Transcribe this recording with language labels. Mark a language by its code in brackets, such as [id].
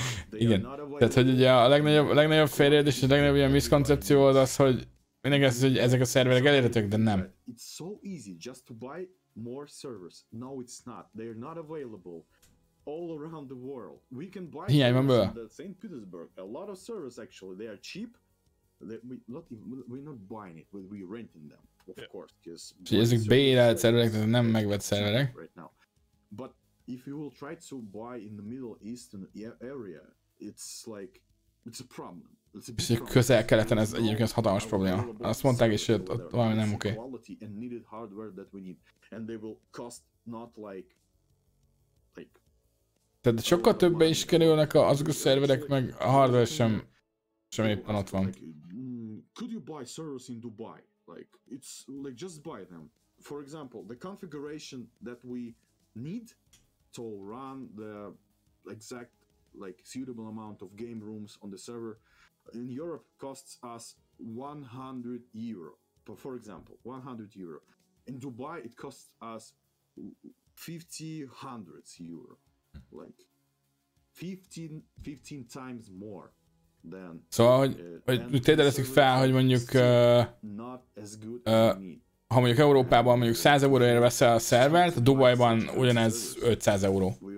[hu] Igen, tehát hogy ugye a legnagyobb félreértés és a legnagyobb ilyen miszkoncepció az az, hogy mindenki azt mondja, hogy ezek a szerverek elérhetők, de nem. [en] It's so easy just to buy more servers. No, it's not. They're not available all around the world. We can buy them in St. Petersburg. A lot of servers actually, they are cheap. We're not buying it, we're renting them, of course. [hu] Úgyhogy ezek bérelt szerverek, tehát nem megvett szerverek. [en] If you will try to buy in the Middle Eastern area, it's a problem. [hu] És a Közel-Keleten ez egyébként az hatalmas probléma. Azt mondták is, hogy ott valami nem oké. [en] Quality and needed hardware that we need, and they will cost not like. [hu] Tehát sokkal többen is kerülnek azok a szerverek, meg a hardware sem éppen ott van. [en] Could you buy servers in Dubai? Like it's like just buy them. For example, the configuration that we need to run the exact like suitable amount of game rooms on the server in Europe costs us 100 euro for example, 100 euro in Dubai it costs us 50 euro, like 15 times more than. [hu] Szóval hogy tételezzük fel, hogy mondjuk [en] not as good [hu] ha mondjuk Európában mondjuk 100 euróért veszel a szervert, Dubajban ugyanez 500 euró.